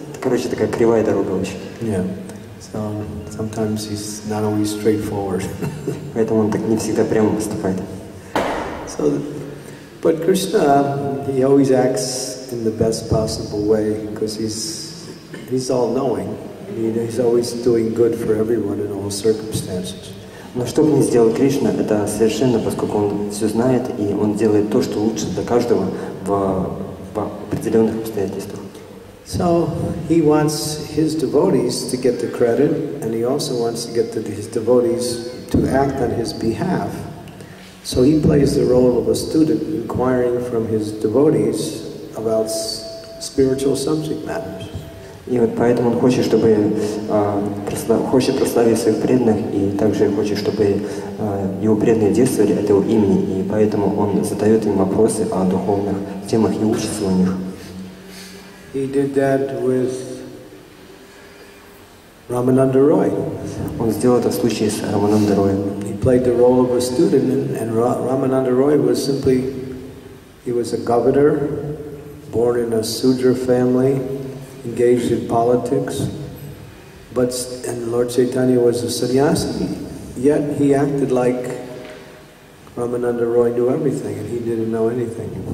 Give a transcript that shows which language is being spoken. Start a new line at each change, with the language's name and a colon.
Russian: Короче, такая кривая дорога вообще.
English: Yeah. So sometimes he's not always straightforward.
Russian: Поэтому он так не всегда прямо поступает.
English: So But Krishna, he always acts in the best possible way because he's all knowing. He's always doing good for everyone in all circumstances.
Russian: Но что бы ни сделал Кришна, это совершенно, поскольку он все знает и он делает то, что лучше для каждого в определенных обстоятельствах.
English: So he wants his devotees to get the credit, and he also wants to get his devotees to act on his behalf. So he plays the role of a student inquiring from his devotees about spiritual subject matters.
Russian: И вот поэтому он хочет, чтобы хочет прославить своих преданных, и также хочет, чтобы его преданные действовали от его имени, и поэтому он задает им вопросы о духовных темах и учится у них.
English: He did that with Ramananda Roy.
Russian: Он сделал это в случае с Рамананда Роем.
English: He played the role of a student, and Ramananda Roy was simply, he was a governor, born in a sudra family, engaged in politics, and Lord Chaitanya was a sannyasi, yet he acted like Ramananda Roy knew everything and he didn't know anything.